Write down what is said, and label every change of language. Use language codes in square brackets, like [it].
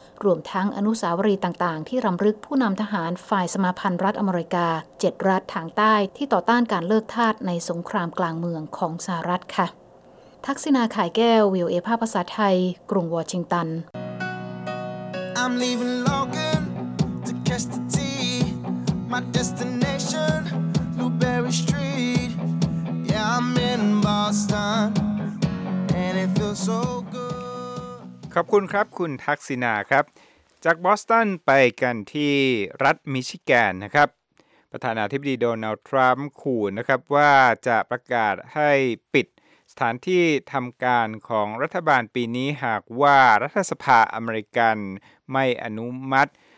[th] รวมทั้งอนุสาวรีย์ต่างๆที่รำลึกผู้นำทหารฝ่ายสมาพันธ์รัฐอเมริกา7รัฐทางใต้ที่ต่อต้านการเลิกทาสในสงครามกลางเมืองของสหรัฐค่ะทักษิณาขายแก้ววิวเอภาภาษาไทยกรุงวอชิงตัน [en] I'm leaving Logan to catch the T. My destination, Blueberry Street. Yeah, I'm in Boston, and it feels so good. [th] ขอบคุณครับคุณทักษิณาครับจากบอสตันไปกันที่รัฐมิชิแกนนะครับประธานาธิบดีโดนัลด์ทรัมป์ขู่นะครับว่าจะประกาศให้ปิดสถานที่ทำการของรัฐบาลปีนี้หากว่ารัฐสภาอเมริกันไม่อนุมัติ